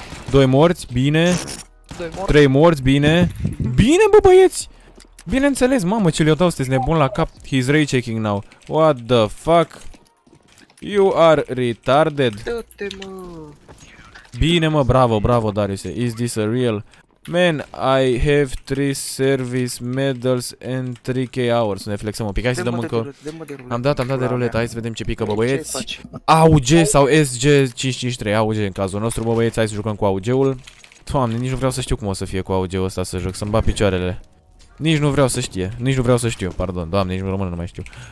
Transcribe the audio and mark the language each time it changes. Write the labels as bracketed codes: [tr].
[ro] Doi morți, bine. Trei morți, bine. Bine, bă, băieți. Bineînțeles, mamă, ce le-o dau, sunteți nebun la cap. [en] He's rechecking now. What the fuck? You are retarded. [ro] Dă-te, mă. Bine, mă, bravo, bravo, Dariuse. [en] Is this a real? Man, I have 3 service medals and 3k hours. [ro] Ne flexăm un pic, hai să dăm încă. Am dat de ruleta, hai să vedem ce pică, bă, băieți. AUG sau SG553, AUG în cazul nostru, bă, băieți, hai să jucăm cu AUG-ul. Doamne, nici nu vreau să știu cum o să fie cu AUG-ul ăsta să joc, să-mi bat picioarele. Nici nu vreau să știe, nici nu vreau să știu, pardon, doamne, nici română nu mai știu.